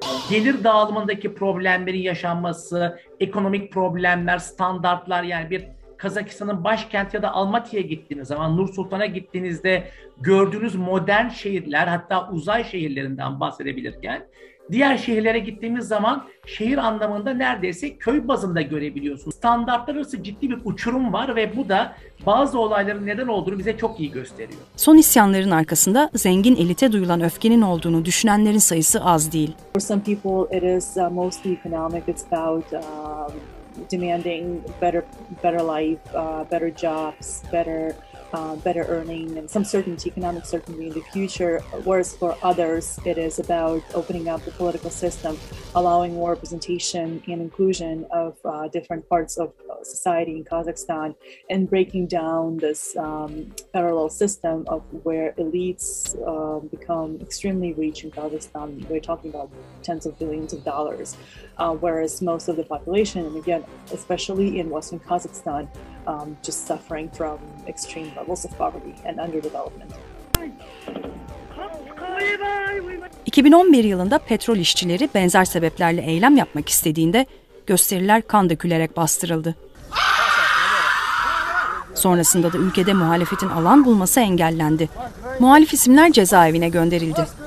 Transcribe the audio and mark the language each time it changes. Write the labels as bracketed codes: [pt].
[tr] Gelir dağılımındaki problemlerin yaşanması, ekonomik problemler, standartlar, yani bir Kazakistan'ın başkenti ya da Almaty'ye gittiğiniz zaman, Nur Sultan'a gittiğinizde gördüğünüz modern şehirler, hatta uzay şehirlerinden bahsedebilirken, diğer şehirlere gittiğimiz zaman şehir anlamında neredeyse köy bazında görebiliyorsunuz. Standartlar arası ciddi bir uçurum var ve bu da bazı olayların neden olduğunu bize çok iyi gösteriyor. Son isyanların arkasında zengin elite duyulan öfkenin olduğunu düşünenlerin sayısı az değil. [en] For some people it is mostly economic. It's about demanding better life, better jobs, better earning and some certainty, economic certainty in the future. Whereas for others, it is about opening up the political system, allowing more representation and inclusion of different parts of society in Kazakhstan, and breaking down this parallel system of where elites become extremely rich in Kazakhstan. We're talking about tens of billions of dollars, whereas most of the population, and again, especially in Western Kazakhstan, just suffering from extreme levels of poverty and underdevelopment. [tr] 2011 yılında petrol işçileri benzer sebeplerle eylem yapmak istediğinde gösteriler kan dökülerek bastırıldı. Sonrasında da ülkede muhalefetin alan bulması engellendi. Muhalif isimler cezaevine gönderildi.